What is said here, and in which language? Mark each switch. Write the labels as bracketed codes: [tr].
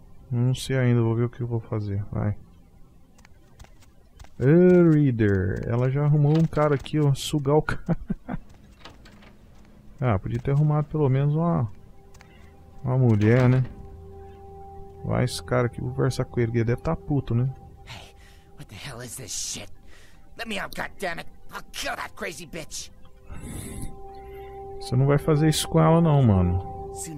[pt] Não sei ainda, vou ver o que eu vou fazer. Vai. Reader. Ela já arrumou um cara aqui, ó. Sugar o cara. Ah, podia ter arrumado pelo menos uma mulher, né? Vai esse cara aqui, vou conversar com ele. Ele deve estar puto, né? [en] Hey, what the hell is this shit? Let me out, goddammit. I'll kill that crazy bitch. [pt] Você não vai fazer isso com ela não, mano.